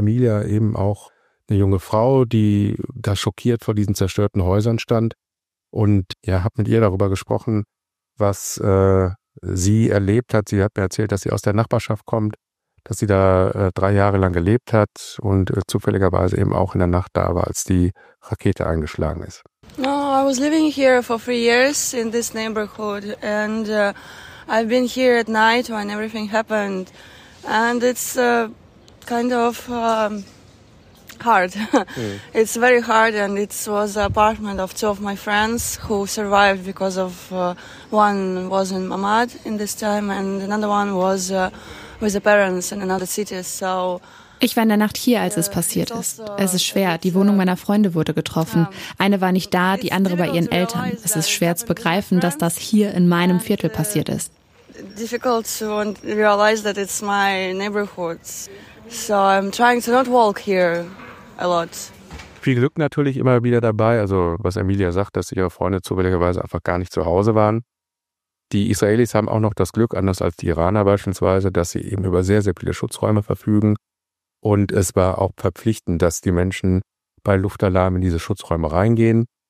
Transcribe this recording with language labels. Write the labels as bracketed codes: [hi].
[de] Emilia eben auch eine junge Frau, die da schockiert vor diesen zerstörten Häusern stand. Und ja, habe mit ihr darüber gesprochen, was sie erlebt hat. Sie hat mir erzählt, dass sie aus der Nachbarschaft kommt, dass sie da 3 Jahre lang gelebt hat und zufälligerweise eben auch in der Nacht da war, als die Rakete eingeschlagen ist. [en] I was living here for 3 years in this neighborhood and I've been here at night when everything happened and it's kind of hard. It's very hard and it was an apartment of 2 of my friends who survived because of one was in Mamad in this time and another one was with the parents in another city. So [de] ich war in der Nacht hier, als es passiert ist. Es ist schwer. Die Wohnung meiner Freunde wurde getroffen. Eine war nicht da, die andere bei ihren Eltern. Es ist schwer zu begreifen, dass das hier in meinem Viertel passiert ist. [en] Difficult to realize that it's my neighborhood. So I'm trying to not walk here a lot. [de] Viel Glück natürlich immer wieder dabei. Also was Emilia sagt, dass ihre Freunde zufälligerweise einfach gar nicht zu Hause waren. Die Israelis haben auch noch das Glück, anders als die Iraner beispielsweise, dass sie eben über sehr, sehr viele Schutzräume verfügen. Und es war auch verpflichtend, dass die Menschen bei Luftalarm in diese Schutzräume reingehen.